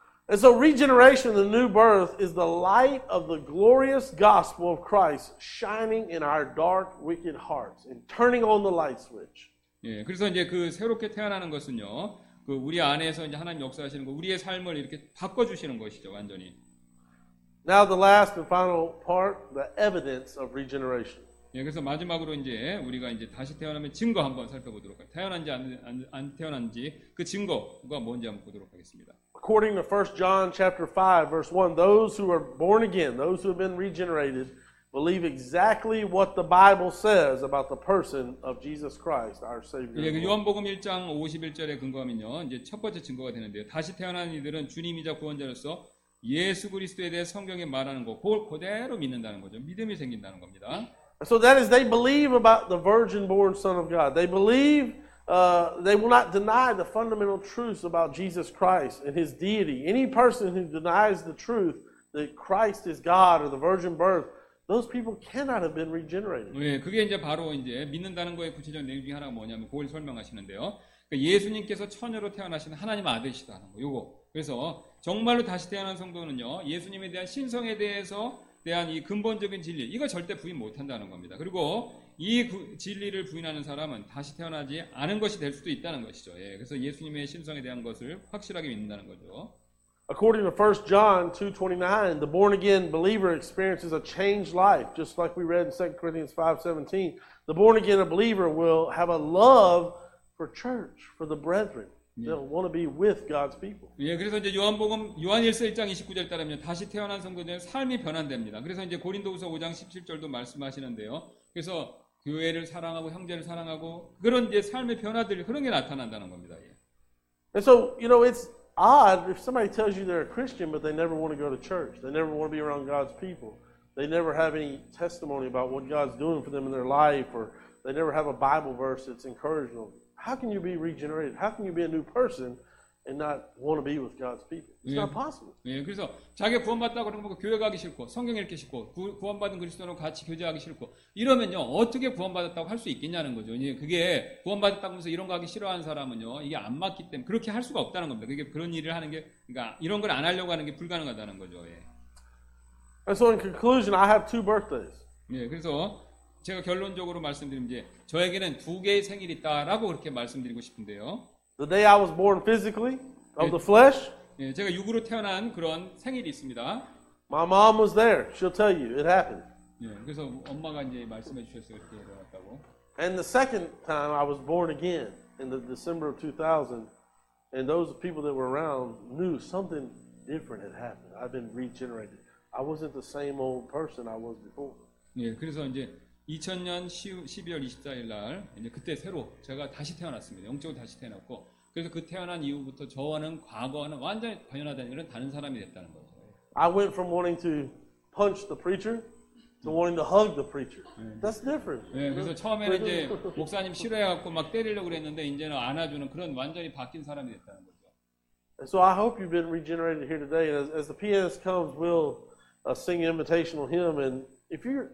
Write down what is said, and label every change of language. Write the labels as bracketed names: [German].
[English] And so regeneration, the new birth, is the light of the glorious gospel of Christ shining in our dark, wicked hearts and turning on the light switch. [Korean] 예, 그래서 이제 그 새롭게 태어나는 것은요, 그 우리 안에서 이제 하나님 역사하시는 거, 우리의 삶을 이렇게 바꿔주시는 것이죠, 완전히. [English] Now the last and final part, the evidence of regeneration. [Korean] 예, 그래서 마지막으로 이제 우리가 이제 다시 태어나면 증거 한번 살펴보도록 할게요. 태어난지 안 태어난지 그 증거가 뭔지 한번 보도록 하겠습니다. [English] According to 1 John chapter 5 verse 1, those who are born again, those who have been regenerated, believe exactly what the Bible says about the person of Jesus Christ, our Savior. [Korean] 예, 그 요한복음 1장 51절에 근거하면요. 이제 첫 번째 증거가 되는데요. 다시 태어난 이들은 주님이자 구원자로서 예수 그리스도에 대해 성경에 말하는 거 그걸 그대로 믿는다는 거죠. 믿음이 생긴다는 겁니다. [English] So that is, they believe about the virgin-born Son of God. They believe, they will not deny the fundamental truths about Jesus Christ and His deity. Any person who denies the truth that Christ is God or the virgin birth, those people cannot have been regenerated. [Korean] 네, 그게 이제 바로 이제 믿는다는 거에 구체적인 내용 중에 하나가 뭐냐면 그걸 설명하시는데요. 그러니까 예수님께서 처녀로 태어나신 하나님 아들이시다는 거, 요거. 그래서 정말로 다시 태어난 성도는요, 예수님에 대한 신성에 대해서 대한 이 근본적인 진리 이거 절대 부인 못한다는 겁니다. 그리고 이 진리를 부인하는 사람은 다시 태어나지 않은 것이 될 수도 있다는 것이죠. 예, 그래서 예수님의 신성에 대한 것을 확실하게 믿는다는 거죠. [English] According to 1 John 2:29, the born again believer experiences a changed life, just like we read in 2 Corinthians 5:17. The born again believer will have a love for church, for the brethren. They'll want to be with God's people. [Korean] 예, 그래서 이제 요한복음 요한일서 1장 29절 따르면 다시 태어난 성도들의 삶이 변환됩니다. 그래서 이제 고린도후서 5장 17절도 말씀하시는데요. 그래서 교회를 사랑하고 형제를 사랑하고 그런 이제 삶의 변화들 그런 게 나타난다는 겁니다. 예. [English] And so, you know, it's odd if somebody tells you they're a Christian but they never want to go to church. They never want to be around God's people. They never have any testimony about what God's doing for them in their life or they never have a Bible verse that's encouraging them. How can you be regenerated? How can you be a new person and not want to be with God's people? It's [Korean] 예, [English] not possible. [Korean] 예, 그래서 자기 구원받다 그러고 교회 가기 싫고 성경 읽기 싫고 구원받은 그리스도와 같이 교제하기 싫고 이러면요 어떻게 구원받았다고 할 수 있겠냐는 거죠. 예, 그게 구원받았다고 해서 이런 거 하기 싫어하는 사람은요 이게 안 맞기 때문에 그렇게 할 수가 없다는 겁니다. 그게 그런 일을 하는 게 그러니까 이런 걸 안 하려고 하는 게 불가능하다는 거죠. 예. [English] And so in conclusion, I have two birthdays. [Korean] 예, 그래서 제가 결론적으로 말씀드리면 이제 저에게는 두 개의 생일이 있다라고 그렇게 말씀드리고 싶은데요. [English] The day I was born physically of the flesh. [Korean] 예, 제가 육으로 태어난 그런 생일이 있습니다. [English] My mom was there. She'll tell you it happened. [Korean] 예, 그래서 엄마가 이제 말씀해 주셨어요. 그렇게 일어났다고. [English] And the second time I was born again in the December of 2000 and those people that were around knew something different had happened. I've been regenerated. I wasn't the same old person I was before. [Korean] 예, 그래서 이제 2000년 12월 24일 날 이제 그때 새로 제가 다시 태어났습니다. 영적으로 다시 태어났고 그래서 그 태어난 이후부터 저와는 과거와는 완전히 변화된 그런 다른 사람이 됐다는 거죠. [English] I went from wanting to punch the preacher to wanting to hug the preacher. That's different. [Korean] 네, 그래서 처음에는 이제 목사님 싫어해 갖고 막 때리려고 그랬는데 이제는 안아주는 그런 완전히 바뀐 사람이 됐다는 거죠. [English] So I hope you've been regenerated here today. As the pianist comes, we'll sing an invitational hymn. And if you're